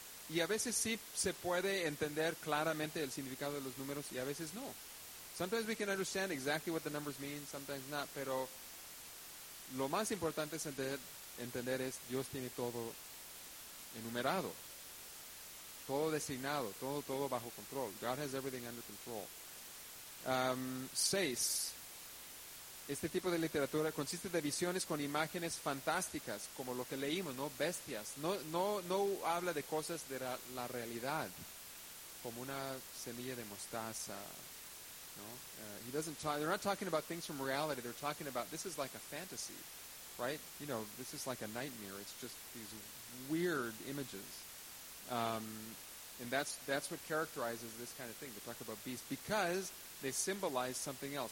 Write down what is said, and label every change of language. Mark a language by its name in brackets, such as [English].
[Spanish] Y a veces sí se puede entender claramente el significado de los números y a veces no. [English] Sometimes we can understand exactly what the numbers mean, sometimes not. [Spanish] Pero lo más importante es entender es Dios tiene todo enumerado, todo designado, todo bajo control. [English] God has everything under control. 6. [Spanish] Este tipo de literatura consiste de visiones con imágenes fantásticas, como lo que leímos, ¿no? Bestias. No habla de cosas de la realidad, como una semilla de mostaza, ¿no? [English] They're not talking about things from reality. They're talking about, this is like a fantasy, right? You know, this is like a nightmare. It's just these weird images. And that's what characterizes this kind of thing. They talk about beasts because they symbolize something else.